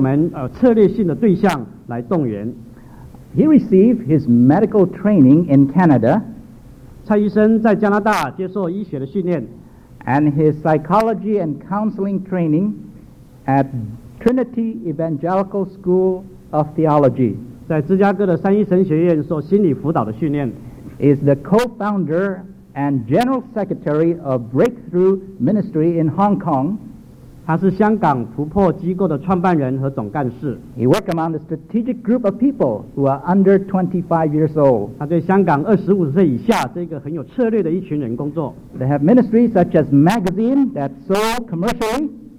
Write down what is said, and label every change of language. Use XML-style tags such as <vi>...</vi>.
<zh>今天早上他的重点要讲到怎么样对我们策略性的对象来动员。</zh> <en>He received his medical training in Canada.</en> <zh>蔡医生在加拿大接受医学的训练。</zh> <en>And his psychology and counseling training at Trinity Evangelical School of Theology.</en> <zh>在芝加哥的三一神学院受心理辅导的训练。</zh> <en>Is the co-founder and general secretary of Breakthrough Ministry in Hong Kong.</en> <zh>他是香港突破机构的创办人和总干事。</zh> <en>He worked among the strategic group of people who are under 25 years old.</en> <zh>他对香港25岁以下这个很有策略的一群人工作。</zh> <en>They have ministries such as magazine that sold commercially.</en>